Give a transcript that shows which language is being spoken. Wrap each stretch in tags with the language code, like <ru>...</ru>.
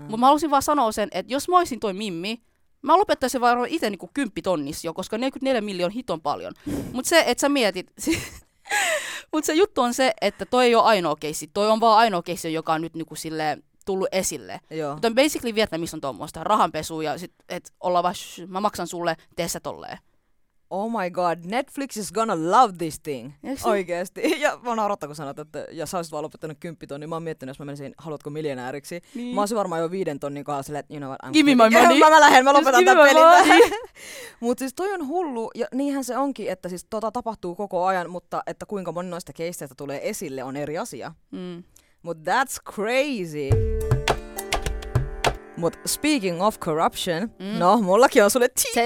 <fi>Mutta mä halusin vaan sanoa sen, että jos mä olisin toi Mimmi, mä lopettaisin varmaan itse niin 10 tonnissa jo, koska 44 miljoon on hiton paljon. Mutta se, että sä mietit, mut se juttu on se, että toi ei ole ainoa keissi. Toi on vaan ainoa keissi, joka on nyt niin sille tullut esille. Mutta basically Vietnamissa on tuommoista rahanpesu ja että ollaan vaan, mä maksan sulle, tee sä tolleen.</fi> <en>Oh my god, Netflix is gonna love this thing.</en> <fi>Oikeesti. Ja mä naurattaa, kun sanot, että ja sä olisit vaan lopettanut 10 tonnia. Mä oon miettinyt, jos mä menisin, haluatko miljonääriksi. Niin. Mä olisin varmaan jo 5 tonnin kohdalla sille,</fi> <en>you know what, I'm give me my money.</en> <fi>Mä lähden, mä lopetan tämän pelin. Mut siis toi on hullu, ja niinhän se onkin, että siis tota tapahtuu koko ajan, mutta että kuinka moni noista keisseistä tulee esille on eri asia.</fi> <en>Mut that's crazy.</en> <fi>Mut</fi> <en>speaking of corruption,</en> <fi>no mullakin on sulle tea time.</fi>